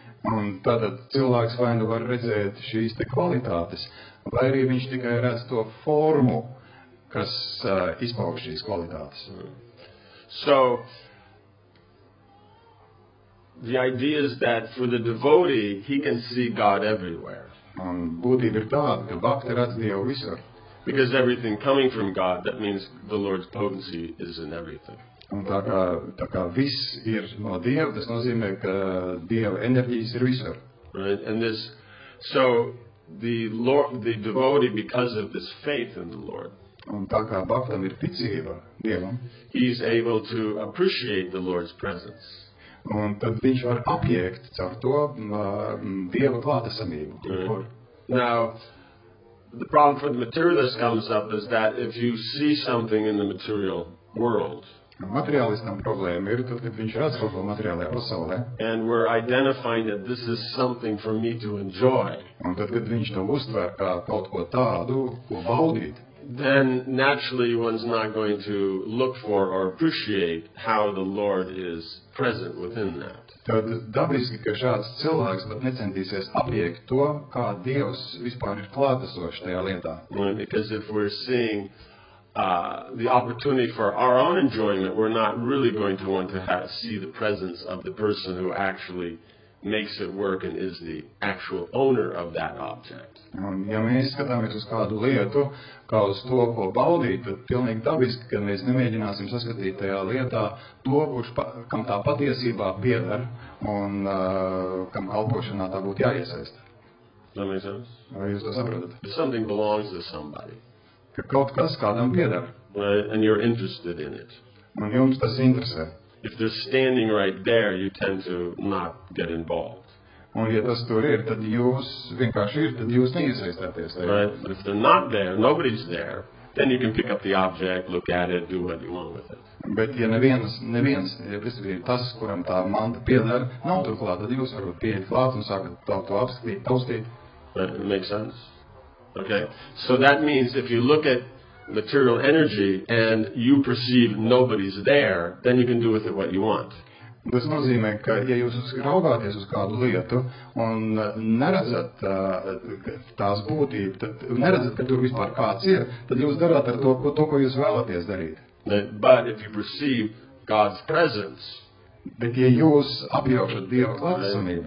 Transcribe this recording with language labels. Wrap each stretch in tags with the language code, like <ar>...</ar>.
<lv>Un tātad cilvēks vai nu var redzēt šīs te kvalitātes, vai arī viņš tikai redz to formu, kas izpauž šīs kvalitātes.</lv> <en>So, the idea is that for the devotee, he can see God everywhere.</en> <lv>Un būtība ir tāda, ka bhakti redz Dievu visur.</lv> <en>Because everything coming from God, that means the Lord's potency is in everything.</en> <lv>Un tā kā viss ir no Dieva, tas nozīmē, ka Dieva enerģijas ir visur.</lv> <en>Right, and this, so the devotee, because of this faith in the Lord,</en> <lv>un tā kā bhaktam ir ticība Dievam,</lv> <en>he's able to appreciate the Lord's presence.</en> <lv>Un tad viņš var apjēgt caur to Dieva klātesamību.</lv> <en>Right. Now, the problem for the materialist comes up is that if you see something in the material world,</en> <lv>materialistam problēma ir, tad, kad viņš redz kaut ko materiālajā pasaulē,</lv> <en>and we're identifying that this is something for me to enjoy,</en> <lv>un tad, kad viņš to uztver kā kaut ko tādu, ko baudīt,</lv> <en>then naturally one's not going to look for or appreciate how the Lord is present within that.</en> <lv>Tad dabiski, ka šāds cilvēks pat necentīsies apiekt to, kā Dievs vispār ir klātesošs tajā lietā.</lv> <en>Right, because if we're seeing the opportunity for our own enjoyment, we're not really going to want to see the presence of the person who actually makes it work and is the actual owner of that object.</en> <lv>Un, ja mēs skatāmies uz kādu lietu, kā uz to, ko baudīt, tad pilnīgi dabiski, ka mēs nemēģināsim saskatīt tajā lietā to, kam tā patiesībā pieder un kam kalpošanā tā būtu jāiesaist.</lv> <en>That makes sense?</en> <lv>Vai jūs to saprotat?</lv> <en>If something belongs to somebody.</en> <lv>Ka kaut kas kādam pieder.</lv> <en>And you're interested in it.</en> <lv>Un jums tas interesē.</lv> <en>If they're standing right there, you tend to not get involved.</en> <lv>Un, ja tas tur ir, tad jūs vienkārši ir, tad jūs neiesaistāties.</lv> <en>Right? But if they're not there, nobody's there, then you can pick up the object, look at it, do what you want with it.</en> <lv>Bet, ja neviens, ja viss ir tas, kuram tā manta pieder, nav tur klāt, tad jūs varbūt pieeja klāt un sākat to apskatīt, taustīt.</lv> <en>Right? It makes sense? Okay. So that means if you look at material energy and you perceive nobody's there, then you can do with it what you want.</en> <lv>Tas nozīmē, ka ja jūs raugāties uz kādu lietu un neredzat tās būtību, tad neredzat, ka tur vispār kāds ir, tad jūs darāt ar to, ko jūs vēlaties darīt.</lv> <en>But if you perceive God's presence,</en> <lv>bet ja jūs apjaušat Dieva klātesamību,</lv>